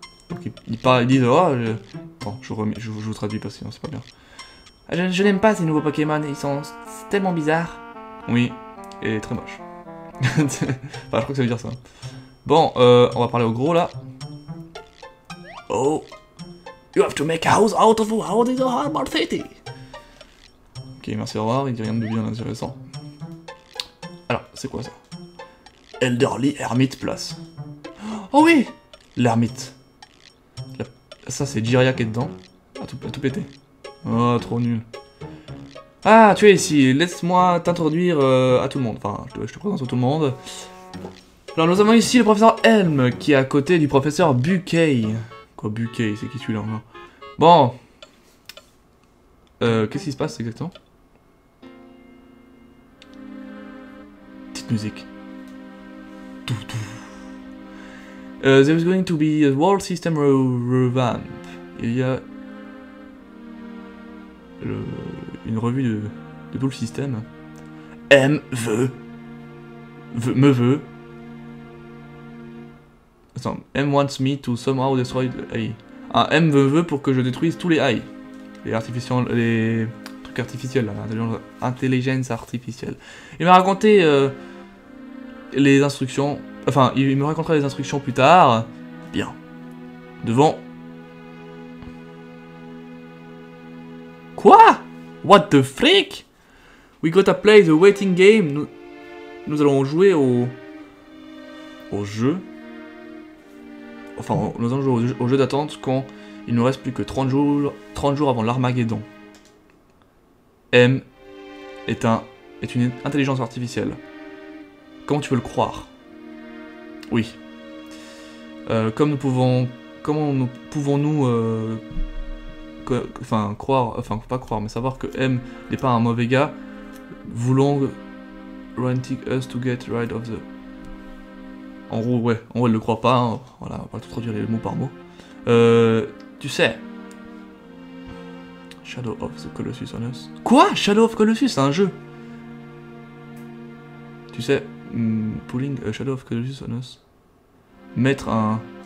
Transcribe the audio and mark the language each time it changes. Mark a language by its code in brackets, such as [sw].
[fr] Donc ils disent, oh, je... Bon, je vous traduis parce que sinon c'est pas bien. Je n'aime pas ces nouveaux Pokémon, ils sont tellement bizarres. Oui, et très moche. Enfin, je crois que ça veut dire ça. Bon, on va parler au gros là. Oh. [en] You have to make a house out of a house in the Harbor City. [fr] Ok, merci, au revoir, il dit rien de bien intéressant. Alors, c'est quoi ça? [en] Elderly Hermit Place. [fr] Oh oui! L'ermite. Ça, c'est Jiria qui est dedans. À tout péter. Oh, trop nul. Ah, tu es ici, laisse-moi t'introduire à tout le monde. Enfin, je te présente à tout le monde. Alors, nous avons ici le professeur Helm, qui est à côté du professeur Buckey. Quoi, Buckey, c'est qui celui-là? Bon. Qu'est-ce qui se passe exactement? Petite musique. [en] There is going to be a world system revamp. [fr] Il y a... une revue de tout le système. M veut. Me veut. Attends, [en] M wants me to somehow destroy the AI. [fr] Ah, M veut pour que je détruise tous les AI. Les artificiels, les trucs artificiels, l'intelligence artificielle. Il m'a raconté les instructions. Enfin, il me racontera les instructions plus tard. Bien. Devant. Quoi? [en] What the freak? We gotta play the waiting game. [fr] Nous allons jouer au jeu. Enfin, nous allons jouer au jeu d'attente quand il nous reste plus que 30 jours avant l'Armageddon. M est une intelligence artificielle. Comment tu peux le croire? Oui. Savoir que M n'est pas un mauvais gars. Voulons [en] wanting us to get rid of the. [fr] En gros, ouais, en gros, elle le croit pas, hein. Voilà, on va pas tout traduire les mots par mots. Tu sais, Shadow of the Colossus [en] on Us. [fr] Quoi? Shadow of Colossus, c'est un jeu. Tu sais, [en] pulling a Shadow of Colossus on Us. [fr] Mettre un...